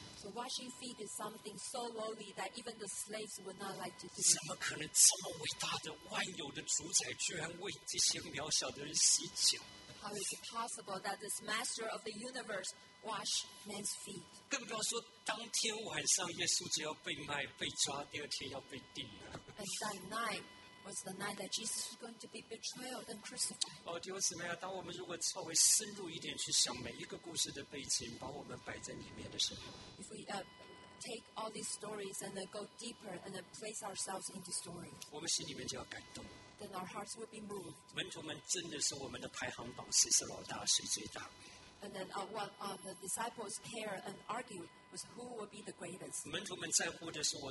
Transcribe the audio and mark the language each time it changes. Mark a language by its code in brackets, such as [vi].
[en] So washing feet is something so lowly that even the slaves would not like to do. [zh] 怎么可能这么伟大的万有的主宰居然为这些渺小的人洗脚？ [en] How is it possible that this master of the universe wash men's feet? [zh] 更不要说当天晚上耶稣就要被卖、被抓，第二天要被钉了。 [en] And that night was the night that Jesus was going to be betrayed and crucified. [zh] 弟兄姊妹啊，当我们如果稍微深入一点去想每一个故事的背景，把我们摆在里面的时候。 [en] If we take all these stories and then go deeper and then place ourselves into stories, [zh] 我们心里面就要感动。 [en] Then our hearts would be moved. [zh] 门徒们真的是我们的排行榜，谁是老大，谁最大？ [en] And then the disciples care and argue was who would be the greatest.